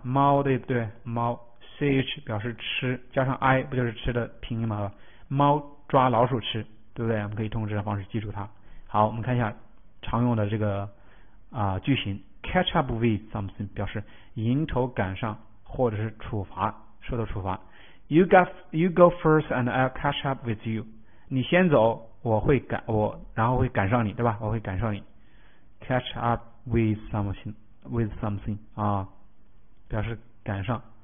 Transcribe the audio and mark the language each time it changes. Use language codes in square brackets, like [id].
[zh] 猫的对，猫 ch 表示吃，加上 i 不就是吃的拼音吗？猫抓老鼠吃，对不对？我们可以通过这种方式记住它。好，我们看一下常用的这个句型， [en] catch up with something [zh] 表示迎头赶上或者是处罚，受到处罚。 [en] You go first and I'll catch up with you。 [zh] 你先走，我然后会赶上你，对吧？我会赶上你。 [en] Catch up with something [zh] 啊，表示赶上。